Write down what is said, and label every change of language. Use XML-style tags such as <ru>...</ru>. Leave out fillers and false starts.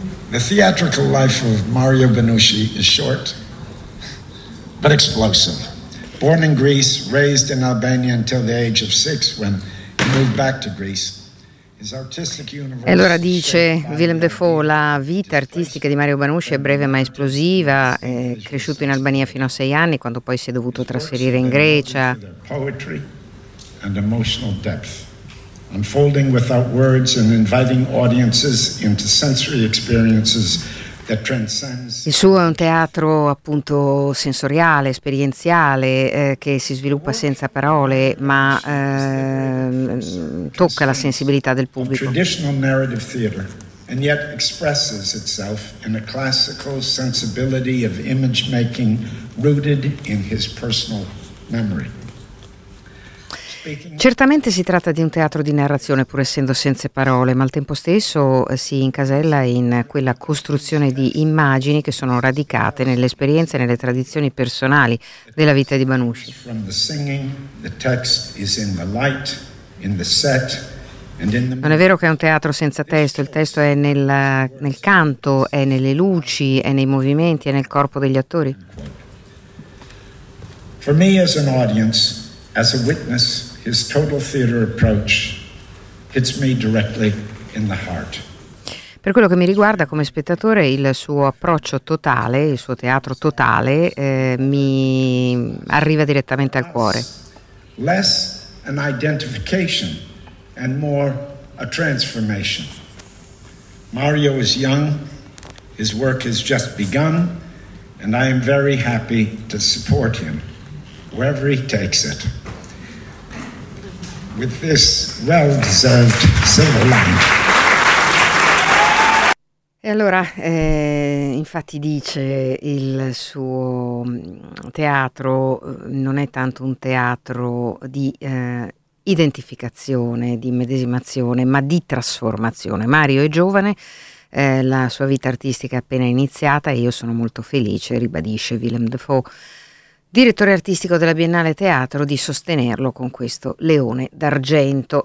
<en>The theatrical life of Mario Banucci is short, but explosive. Born in Greece, raised in Albania until the age of six, when he moved back to Greece.</en> <it>E allora dice Willem Dafoe: la vita artistica di Mario Banucci è breve ma esplosiva. È cresciuto in Albania fino a sei anni, quando poi si è dovuto trasferire in Grecia.</it> <en>Poetry and emotional depth, unfolding without words and inviting audiences into sensory experiences.</en> <it>Il suo è un teatro appunto sensoriale, esperienziale, che si sviluppa senza parole, ma tocca la sensibilità del pubblico.</it> <en>Traditional narrative theater, and yet expresses itself in a classical sensibility of image making rooted in his personal memory.</en> <it>Certamente si tratta di un teatro di narrazione, pur essendo senza parole, ma al tempo stesso si incasella in quella costruzione di immagini che sono radicate nelle esperienze e nelle tradizioni personali della vita di Banucci.</it> <en>From the singing, the text is in the light, in the set,</en> <it>Non è vero che è un teatro senza testo, il testo è nel canto, è nelle luci, è nei movimenti, è nel corpo degli attori.</it> <en>For me as an audience, as a witness, his total theater approach hits me directly in the heart.</en> <it>Per quello che mi riguarda come spettatore, il suo approccio totale, il suo teatro totale, mi arriva direttamente al cuore.</it> <en>Less an identification and more a transformation. Mario is young, his work has just begun, and I am very happy to support him wherever he takes it. With this well-deserved silver lining.</en> <it>E allora, infatti dice, il suo teatro non è tanto un teatro di identificazione, di immedesimazione, ma di trasformazione. Mario è giovane, la sua vita artistica è appena iniziata e io sono molto felice, ribadisce Willem Dafoe, direttore artistico della Biennale Teatro, di sostenerlo con questo Leone d'Argento.</it>